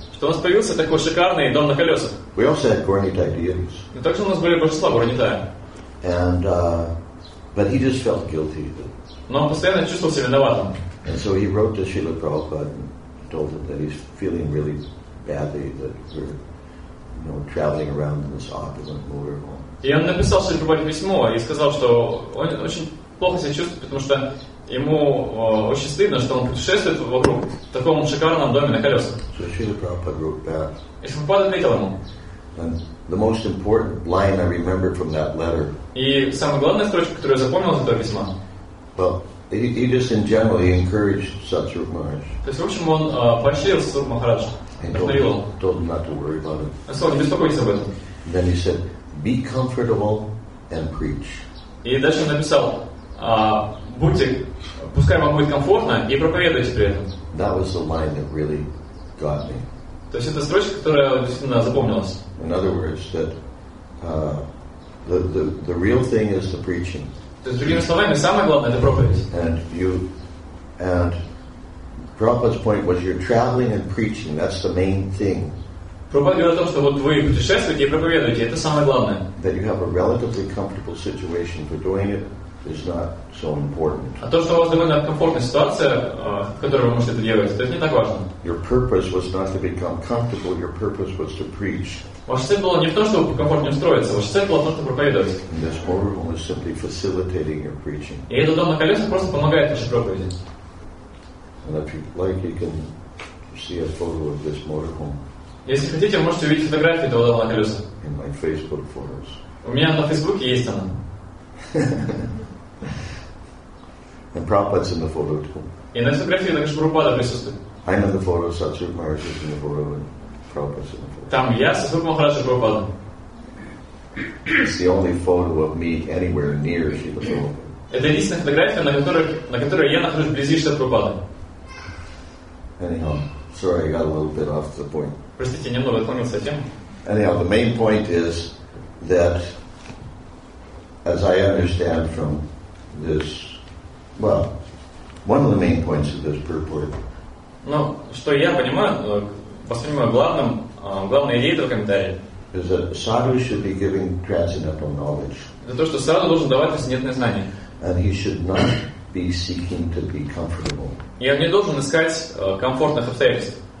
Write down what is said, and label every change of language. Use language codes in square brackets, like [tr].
[ru] Что у нас появился такой шикарный дом на колесах. [en] We also had Gornit ideas. [ru] И также у нас были божества Горнитая. [en] And but he just felt guilty. That... [ru] Но он постоянно чувствовал себя виноватым. [en] And so he wrote to Srila Prabhupada and told him that he's feeling really badly that we're, you know, traveling around in this opulent motorhome. [ru] И он написал Шриле Прабхупаде письмо и сказал, что он очень плохо себя чувствует, потому что ему очень стыдно, что он путешествует вокруг в таком шикарном доме на колесах. [en] So Srila Prabhupada wrote back. [ru] И Прабхупада ответил ему. [en] And the most important line I remember from that letter. [ru] И самая главная строчка, которую я запомнил из этого письма. [en] Well, he just in general he encouraged Satsurup Maharaj. [ru] То есть в общем он поощрил Сатсурупа Махараджа. [en] Told him not to worry about it. [ru] А сказал, не беспокойся об этом. [en] Then he said, be comfortable and preach. [ru] И дальше он написал, будьте, пускай вам будет комфортно и проповедуйте при этом. [en] That was the line that really got me. [ru] То есть это строчка, которая действительно запомнилась. [en] In other words, that the real thing is the preaching. То есть другими словами, самое главное это проповедь. And you and Prabhupada's point was you're traveling and preaching. That's the main thing. [ru] Прабхупада говорит о том, что вот вы путешествуете и проповедуете. Это самое главное. [en] That you have a relatively comfortable situation for doing it. Is not so important. [ru] А то, что у вас довольно комфортная ситуация, в которой вы можете это делать, то это не так важно. [en] Your purpose was not to become comfortable. Your purpose was to preach. [ru] Ваша цель была не в том, чтобы комфортнее устроиться. Ваша цель была в том, чтобы проповедовать. [en] And this motorhome is simply facilitating your preaching. [ru] И этот дом на колесах просто помогает вашей проповеди. [en] And if you'd like, you can see a photo of this motorhome. [ru] Если хотите, вы можете увидеть фотографии этого дома на колесах. [en] In my Facebook photos. [ru] У меня на Фейсбуке есть она. [en] And Prabhupada's in the photo too. [ru] И на фотографии также Прабхупада присутствует. [en] I'm in the photo, Satsurup Maharaj is in the photo, and Prabhupada's in the photo. [ru] Там я, Сатсурупа Махараджа, Прабхупада. [en] It's the only photo of me anywhere near Шрила Прабхупада. [ru] Это единственная фотография, на которой я нахожусь вблизи Шрила Прабхупады. [en] Anyhow, sorry, I got a little bit off the point. [ru] Простите, немного отклонился от темы. [en] Anyhow, the main point is that, as I understand from this, well, one of the main points of this purport. [ru] Ну, что я понимаю, воспринимаю главным, главной идеей этого комментария. [en] Is that sadhu should be giving transcendental knowledge. [ru] Это то, что саду должен давать трансцендентное знание. [en] And he should not be seeking to be comfortable. [ru] И он не должен искать комфортных обстоятельств.